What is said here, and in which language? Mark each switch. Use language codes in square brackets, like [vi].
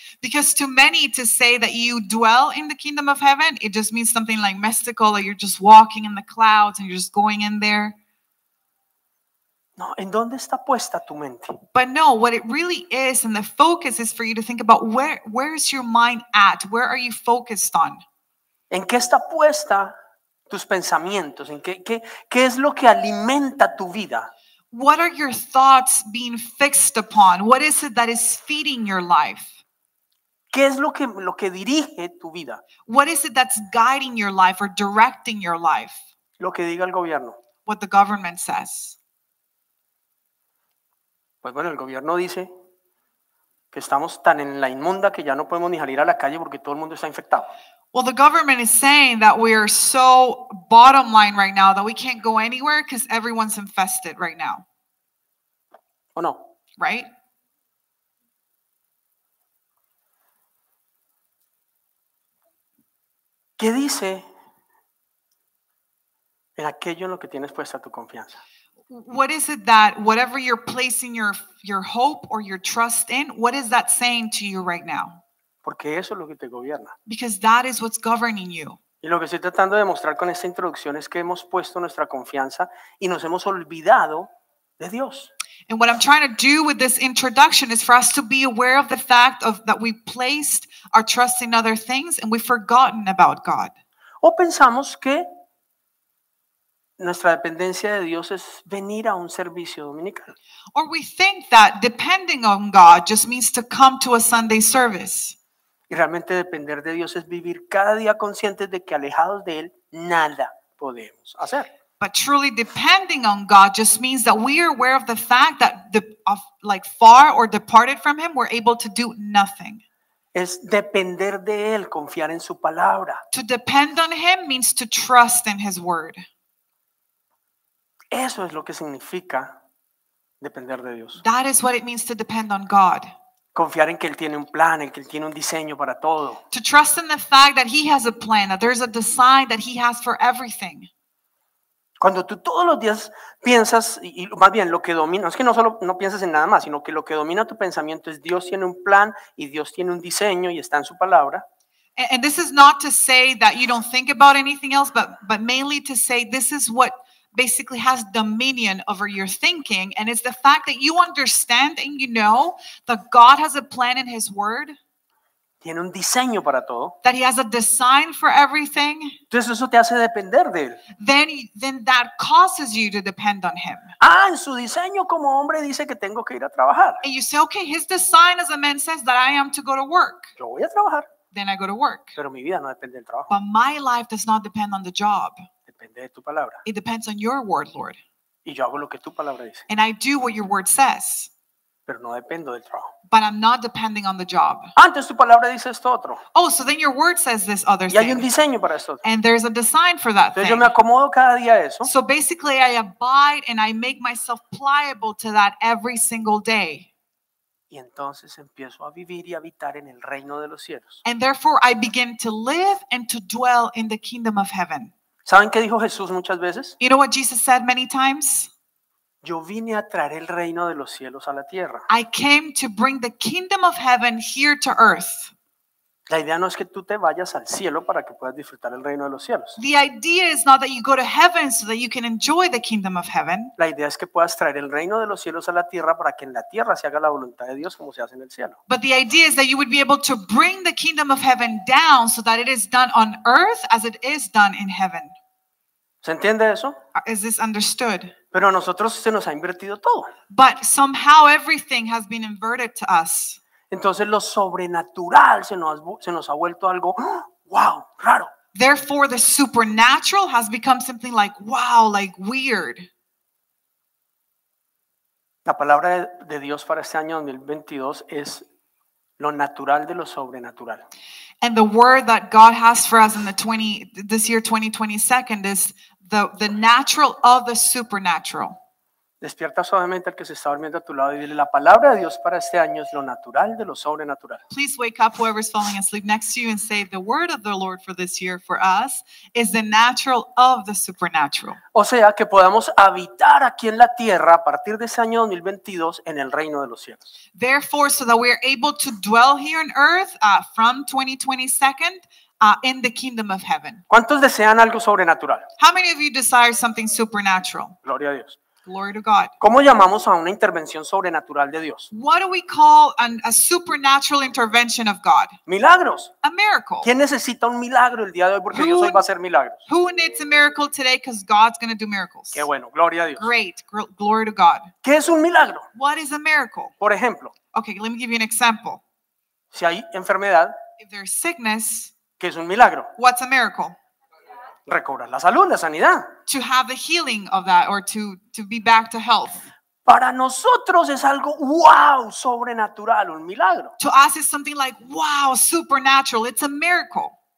[en] Because to many, to say that you dwell in the kingdom of heaven, it just means something like mystical, that you're just walking in the clouds and you're just going in there. [es] No, ¿en dónde está puesta tu mente? [en] But no, what it really is, and the focus is for you to think about where is your mind at? Where are you focused on? [es] ¿En qué está puesta tus pensamientos? ¿En qué es lo que alimenta tu vida? [en] What are your thoughts being fixed upon? What is it that is feeding your life? [es] ¿Qué es lo que dirige tu vida? [en] What is it that's guiding your life or directing your life? [es] Lo que diga el gobierno. [en] What the government says. [es] Pues bueno, el gobierno dice que estamos tan en la inmunda que ya no podemos ni salir a la calle porque todo el mundo está infectado. [en] Well, the government is saying that we are so bottom line right now that we can't go anywhere because everyone's infested right now. [es] ¿O no? [en] Right? [es] ¿Qué dice en aquello en lo que tienes puesta tu confianza? [en] What is it that whatever you're placing your hope or your trust in, what is that saying to you right now? [es] Porque eso es lo que te gobierna. [en] Because that is what's governing you. [es] Y lo que estoy tratando de mostrar con esta introducción es que hemos puesto nuestra confianza y nos hemos olvidado de Dios. [en] And what I'm trying to do with this introduction is for us to be aware of the fact of that we placed our trust in other things and we've forgotten about God. [es] O pensamos que nuestra dependencia de Dios es venir a un servicio dominical. [en] Or we think that depending on God just means to come to a Sunday service. [es] Y realmente depender de Dios es vivir cada día conscientes de que alejados de él nada podemos hacer. [en] But truly depending on God just means that we are aware of the fact that like far or departed from him we're able to do nothing. [es] Es depender de él, confiar en su palabra. [en] To depend on him means to trust in his word. [es] Eso es lo que significa depender de Dios. [en] That is what it means to depend on God. [es] Confiar en que él tiene un plan, en que él tiene un diseño para todo. [en] To trust in the fact that he has a plan, that there's a design that he has for everything. [es] Cuando tú todos los días piensas, y más bien lo que domina, es que no solo no piensas en nada más, sino que lo que domina tu pensamiento es Dios tiene un plan y Dios tiene un diseño y está en su palabra. [en] And this is not to say that you don't think about anything else, but mainly to say this is what basically has dominion over your thinking, and it's the fact that you understand and you know that God has a plan in His Word. [es] Tiene un diseño para todo. [en] That He has a design for everything. [es] Entonces eso te hace depender de él. [en] Then that causes you to depend on Him. [es] Ah, en su diseño como hombre dice que tengo que ir a trabajar. [en] And you say, okay, His design as a man says that I am to go to work. [es] Yo voy a trabajar. [en] Then I go to work. [es] Pero mi vida no depende del trabajo. [en] But my life does not depend on the job. [es] Depende de tu palabra. [en] It depends on your word, Lord. [es] Y yo hago lo que tu palabra dice. [en] And I do what your word says. [es] Pero no dependo del trabajo. [en] But I'm not depending on the job. [es] Antes tu palabra dice esto otro. [en] Oh, so then your word says this other [es] y [en] thing. [es] Y hay un diseño para esto. [en] And there's a design for that [es] entonces Yo me acomodo cada día a eso. [en] So basically I abide and I make myself pliable to that every single day. [es] Y entonces empiezo a vivir y habitar en el reino de los cielos. [en] And therefore I begin to live and to dwell in the kingdom of heaven. [es] ¿Saben qué dijo Jesús muchas veces? [en] You know what Jesus said many times? [es] Yo vine a traer el reino de los cielos a la tierra. [en] I came to bring the kingdom of heaven here to earth. [es] La idea no es que tú te vayas al cielo para que puedas disfrutar el reino de los cielos. [en] The idea is not that you go to heaven so that you can enjoy the kingdom of heaven. [es] La idea es que puedas traer el reino de los cielos a la tierra para que en la tierra se haga la voluntad de Dios como se hace en el cielo. [en] But the idea is that you would be able to bring the kingdom of heaven down so that it is done on earth as it is done in heaven. [es] ¿Se entiende eso? [en] Is this understood? [es] Pero a nosotros se nos ha invertido todo. [en] But somehow everything has been inverted to us. [es] Entonces lo sobrenatural se nos ha vuelto algo, wow, raro. [en] Therefore the supernatural has become something like, wow, like weird. [es] La palabra de Dios para este año 2022 es lo natural de lo sobrenatural. [en] And the word that God has for us in this year 2022 is the natural of the supernatural. [es] Despierta suavemente al que se está durmiendo a tu lado y dile la palabra de Dios para este año es lo natural de lo sobrenatural. [en] Please wake up whoever is falling asleep next to you and say the word of the Lord for this year for us is the natural of the supernatural. [es] O sea, que podamos habitar aquí en la tierra a partir de ese año 2022 en el reino de los cielos. [en] Therefore, so that we are able to dwell here on earth from 2022 in the kingdom of heaven. [es] ¿Cuántos desean algo sobrenatural? [en] How many of you desire something supernatural? [es] Gloria a Dios. [en] Glory to God. [es] ¿Cómo llamamos a una intervención sobrenatural de Dios? [en] What do we call a supernatural intervention of God? [es] Milagros. [en] A miracle. [es] ¿Quién necesita un milagro el día de hoy porque Dios hoy va a hacer milagros? [en] Who needs a miracle today because God's going to do miracles? [es] Qué bueno, gloria a Dios. [en] Great, glory to God. [es] ¿Qué es un milagro? [en] What is a miracle? [es] Por ejemplo. [en] Okay, let me give you an example. [es] Si hay enfermedad. [en] If there's sickness. [es] ¿Qué es un milagro? [en] What's a miracle? [es] Recobrar la salud, la sanidad. [en] To have the healing of that or to be back to health. [es] Para nosotros es algo wow, sobrenatural, un milagro. [en] To us it's something like wow, supernatural, it's a miracle.